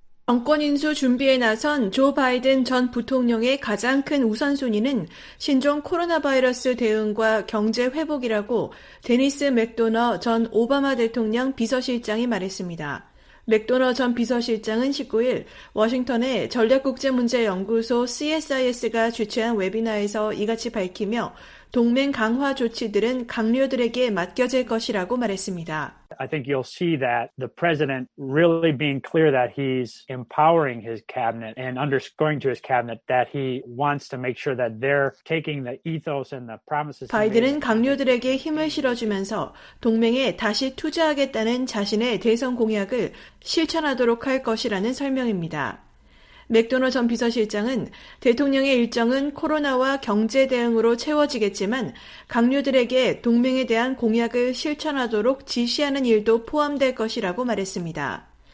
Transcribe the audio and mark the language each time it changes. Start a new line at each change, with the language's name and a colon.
Korean: 정권 인수 준비에 나선 조 바이든 전 부통령의 가장 큰 우선순위는 신종 코로나 바이러스 대응과 경제 회복이라고 데니스 맥도너 전 오바마 대통령 비서실장이 말했습니다. 맥도너 전 비서실장은 19일 워싱턴의 전략국제문제연구소 CSIS가 주최한 웨비나에서 이같이 밝히며 동맹 강화 조치들은 강료들에게 맡겨질 것이라고 말했습니다.
English: I think you'll see that the president really being clear that he's empowering his cabinet and underscoring to his cabinet that he wants to make sure that they're taking the ethos and the promises.
Korean: 바이든은 강료들에게 힘을 실어주면서 동맹에 다시 투자하겠다는 자신의 대선 공약을 실천하도록 할 것이라는 설명입니다. 맥도너 전 비서실장은 대통령의 일정은 코로나와 경제 대응으로 채워지겠지만 강료들에게 동맹에 대한 공약을 실천하도록 지시하는 일도 포함될 것이라고 말했습니다.